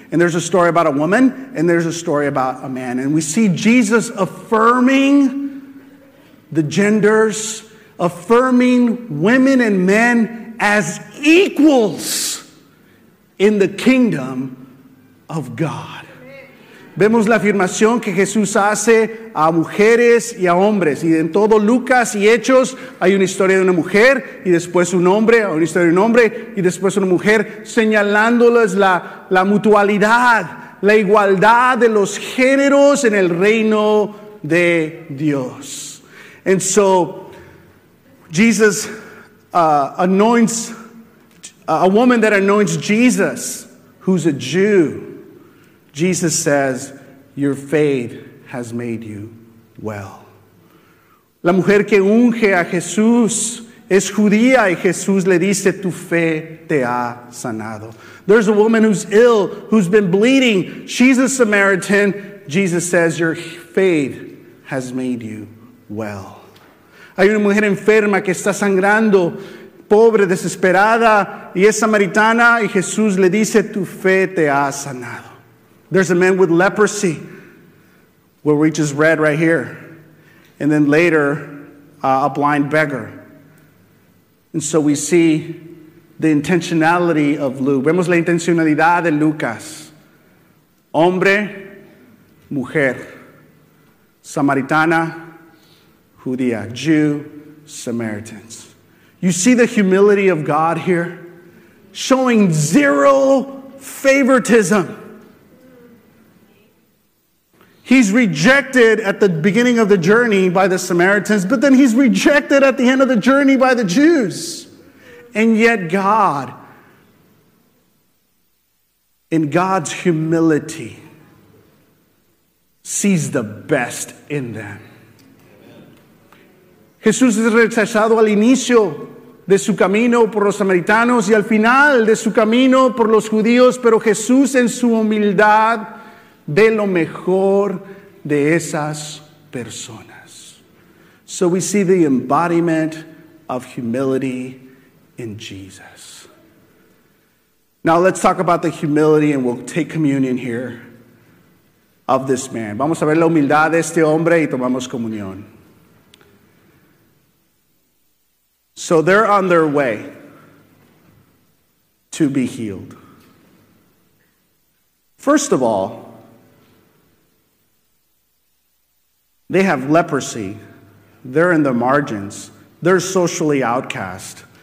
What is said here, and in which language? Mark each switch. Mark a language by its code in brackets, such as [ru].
[en] And there's a story about a woman, and there's a story about a man. And we see Jesus affirming the genders, affirming women and men as equals in the kingdom of God. [es] Vemos la afirmación que Jesús hace a mujeres y a hombres. Y en todo Lucas y Hechos hay una historia de una mujer y después un hombre, una historia de un hombre y después una mujer, señalándoles la mutualidad, la igualdad de los géneros en el reino de Dios. [en] And so Jesus anoints a woman that anoints Jesus, who's a Jew. Jesus says, your faith has made you well. [es] La mujer que unge a Jesús es judía y Jesús le dice, tu fe te ha sanado. [en] There's a woman who's ill, who's been bleeding. She's a Samaritan. Jesus says, your faith has made you well. [es] Hay una mujer enferma que está sangrando, pobre, desesperada, y es samaritana, y Jesús le dice, tu fe te ha sanado. [en] There's a man with leprosy, where we just read right here. And then later, a blind beggar. And so we see the intentionality of Luke. [es] Vemos la intencionalidad de Lucas. Hombre, mujer, samaritana, judía, [en] Jew, Samaritans. You see the humility of God here, showing zero favoritism. He's rejected at the beginning of the journey by the Samaritans, but then he's rejected at the end of the journey by the Jews. And yet God, in God's humility, sees the best in them. [es] Jesús es rechazado al inicio de su camino por los samaritanos y al final de su camino por los judíos, pero Jesús en su humildad ve lo mejor de esas personas. [en] So we see the embodiment of humility in Jesus. Now let's talk about the humility, and we'll take communion here, of this man. [es] Vamos a ver la humildad de este hombre y tomamos comunión. [en] So they're on their way to be healed. First of all, they have leprosy. They're in the margins. They're socially outcast.